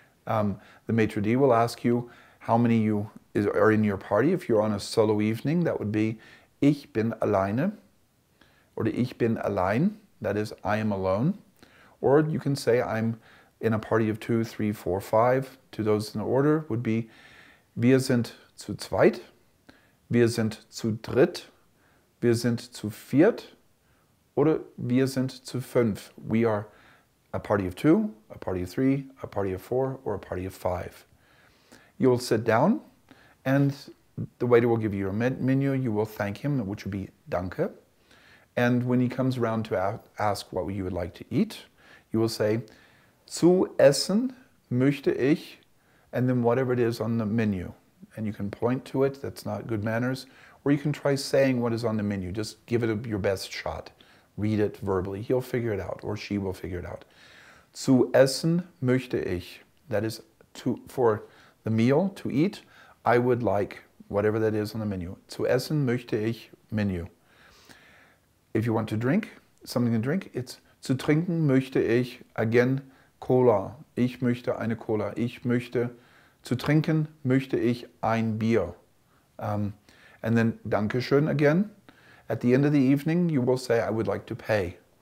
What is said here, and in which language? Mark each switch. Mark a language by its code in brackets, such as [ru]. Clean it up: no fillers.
[en] The maitre d' will ask you how many you are in your party. If you're on a solo evening, that would be [de] Ich bin alleine, [en] or [de] Ich bin allein, [en] that is, I am alone. Or you can say I'm in a party of two, three, four, five. To those in order would be [de] Wir sind zu zweit, wir sind zu dritt, wir sind zu viert, oder wir sind zu fünf. [en] We are a party of two, a party of three, a party of four, or a party of five. You will sit down, and the waiter will give you your menu. You will thank him, which would be Danke. And when he comes around to ask what you would like to eat, you will say, [de] Zu essen möchte ich, [en] and then whatever it is on the menu. And you can point to it, that's not good manners, or you can try saying what is on the menu. Just give it your best shot. Read it verbally. He'll figure it out, or she will figure it out. [de] Zu essen möchte ich, [en] that is for the meal, to eat, I would like whatever that is on the menu. [de] Zu essen möchte ich [en] menu. If you want to drink, something to drink, it's [de] zu trinken möchte ich, [en] again, Cola. [de] Ich möchte eine Cola. Ich möchte, zu trinken möchte ich ein Bier. [en] And then Dankeschön again. At the end of the evening, you will say, I would like to pay.